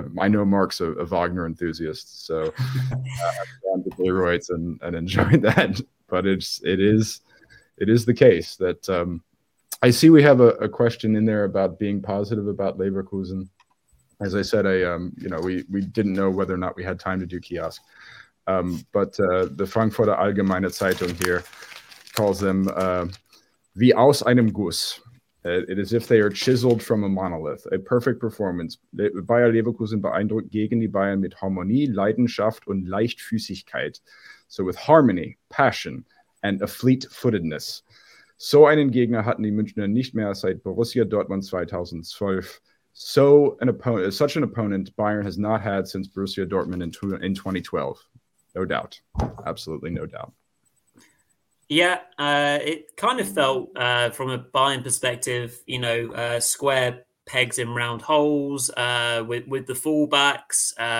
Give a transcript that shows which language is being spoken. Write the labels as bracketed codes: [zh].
[en] I know Mark's a Wagner enthusiast, so I've gone to Bayreuth and enjoyed that. But it is the case that I see we have a question in there about being positive about Leverkusen. As I said, we didn't know whether or not we had time to do kiosk. The Frankfurter Allgemeine Zeitung here calls them [de] wie aus einem Guss. [en] It is as if they are chiseled from a monolith. A perfect performance. [de] Bayer Leverkusen beeindruckt gegen die Bayern mit Harmonie, Leidenschaft und Leichtfüßigkeit. [en] So with harmony, passion, and a fleet-footedness. [de] So einen Gegner hatten die Münchner nicht mehr seit Borussia Dortmund 2012. [en] So an opponent, such an opponent Bayern has not had since Borussia Dortmund in 2012. No doubt. Absolutely no doubt. Yeah, it kind of felt, from a Bayern perspective, you know, square pegs in round holes with the fullbacks.